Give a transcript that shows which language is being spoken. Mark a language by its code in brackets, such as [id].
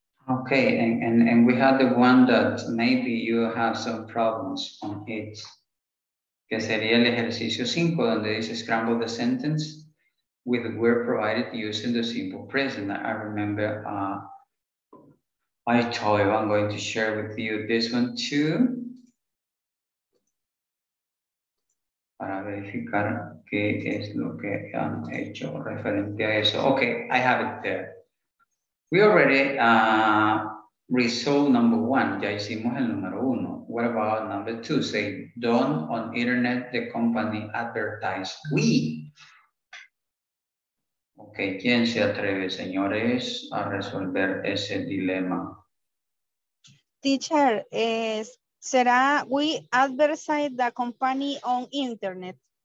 [en] Okay, and we had the one that maybe you have some problems on it. [es] Que sería el ejercicio 5, donde dice [en] scramble the sentence with the word provided using the simple present. I remember I told you I'm going to share with you this one too. [es] Para verificar qué es lo que han hecho referente a eso. [en] Okay, I have it there. We already resolved number 1, [es] ya hicimos el número 1. [en] What about number 2? Say, don't on internet the company advertise we. [es] Okay, ¿quién se atreve, señores, a resolver ese dilema? [en] Teacher, [es] será [en] we advertise the company on internet?